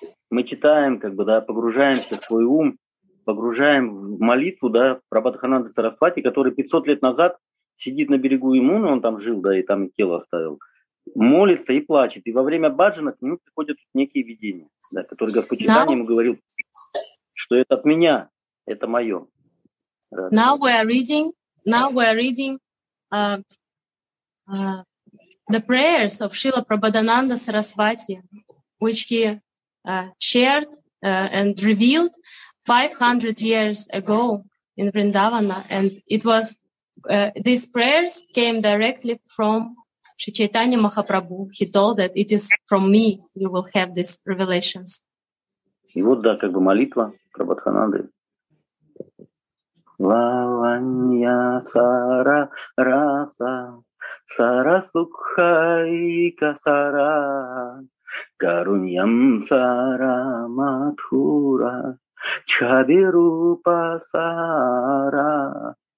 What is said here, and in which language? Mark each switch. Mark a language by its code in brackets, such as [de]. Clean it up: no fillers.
[ru] Мы читаем, погружаемся в свой ум, погружаем в молитву, да, Прабхатхананда Сарасвати, который 500 лет назад сидит на берегу Ямуны, он там жил, да, и там тело оставил, молится и плачет. И во время баджана к нему приходят некие видения, да, которые Господь Читания ему говорил, что это от меня, это мое. [en] Now we are reading the prayers of Srila Prabhadananda Sarasvati, which he shared and revealed 500 years ago in Vrindavana, and it was these prayers came directly from Sri Chaitanya Mahaprabhu. He told that it is from me you will have these revelations. [ru] И вот да, молитва Прабхатхананды. [sa] Лаванья сара раса сара сукхайка сара карунням сара матхура Чхабирупа сара,